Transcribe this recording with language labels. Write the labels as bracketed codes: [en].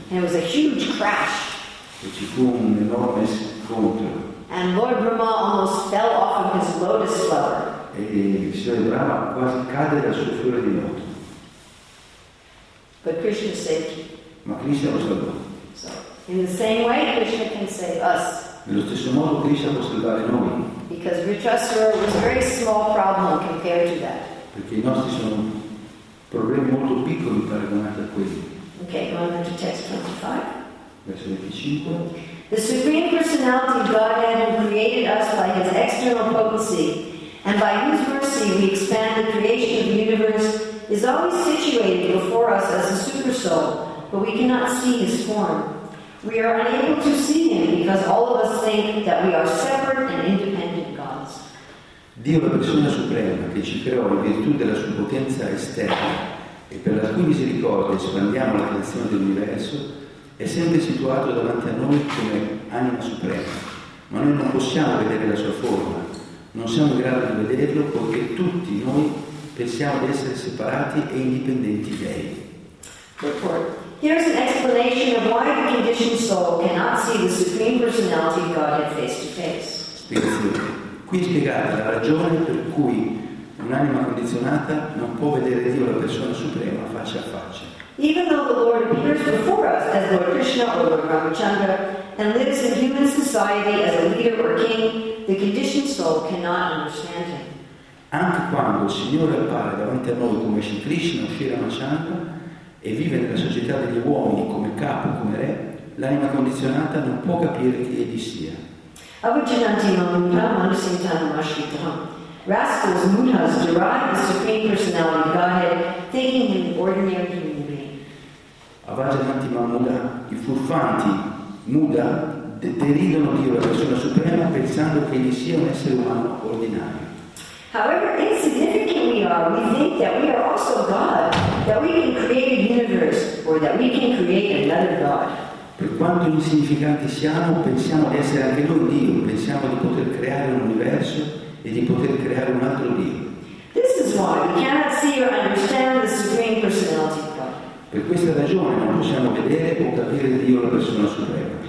[en] And it was a huge crash. [it] E ci fu un enorme scontro. [en] And Lord Brahma almost fell off of his lotus flower. [it] E il signore Brahma quasi cade dal suo fiore di loto. [en] But Krishna saved him. [it] Ma Krishna lo salvò. [en] So, in the same way, Krishna can save us. [it] Nello stesso modo Krishna può salvare noi. [en] Because Vrishasura was a very small problem compared to that. [it] Perché i nostri sono problemi molto piccoli paragonati a quelli. [en] Okay, going on to text 25. [it] Verso 25. [en] The Supreme Personality of Godhead who created us by his external potency and by whose mercy we expand the creation of the universe is always situated before us as a supersoul, but we cannot see his form. We are unable to see him because all of us think that we are separate and independent gods. [it] Dio, la persona suprema che ci creò in virtù della sua potenza esterna e per la cui misericordia espandiamo la creazione dell'universo, è sempre situato davanti a noi come anima suprema, ma noi non possiamo vedere la sua forma. Non siamo in grado di vederlo perché tutti noi pensiamo di essere separati e indipendenti da lei. [en] Here's an explanation of why the conditioned soul cannot see the Supreme Personality of Godhead face to face. [it] Spiegazione. Qui è spiegata la ragione per cui un'anima condizionata non può vedere Dio, la persona suprema, faccia a faccia. [en] Even though the Lord appears before us as Lord Krishna or Lord Ramachandra and lives in human society as a leader or king, the conditioned soul cannot understand him. [it] Anche quando il Signore appare davanti a noi come Sri Krishna o Sri Ramachandra e vive nella società degli uomini come capo, come re, l'anima condizionata non può capire chi egli sia. [sa] Avujjananti mamutam anusintam mashitam. [en] Rascals, mutas derive the Supreme Personality of Godhead, thinking him ordinary human. [it] Avajananti Mamuda, i furfanti, Muda, deridono Dio, la persona suprema, pensando che egli sia un essere umano ordinario. [en] However insignificant we are, we think that we are also God, that we can create a universe, or that we can create another God. [it] Per quanto insignificanti siamo, pensiamo di essere anche noi Dio, pensiamo di poter creare un universo e di poter creare un altro Dio. [en] This is why we cannot see or understand the Supreme Personality. [it] Per questa ragione non possiamo vedere o capire Dio, la persona suprema.